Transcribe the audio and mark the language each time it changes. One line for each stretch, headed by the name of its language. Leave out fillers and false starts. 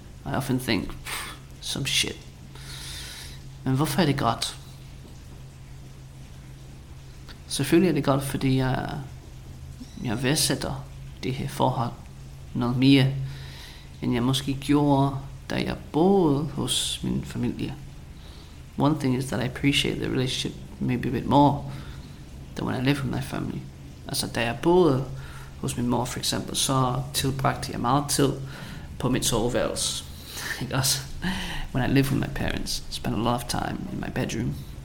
English: I often think, some shit.
Danish: Men hvorfor er det godt? Selvfølgelig er det godt, fordi jeg værdsætter det her forhold noget mere, end jeg måske gjorde, da jeg boede hos min familie.
English: One thing is that I appreciate the relationship maybe a bit more than when I live with my family.
Danish: Altså, da jeg boede hos min mor, for eksempel, så tilbragte jeg meget tid på mit soveværelse.
English: Because when I live with my parents, I spend a lot of time in my bedroom.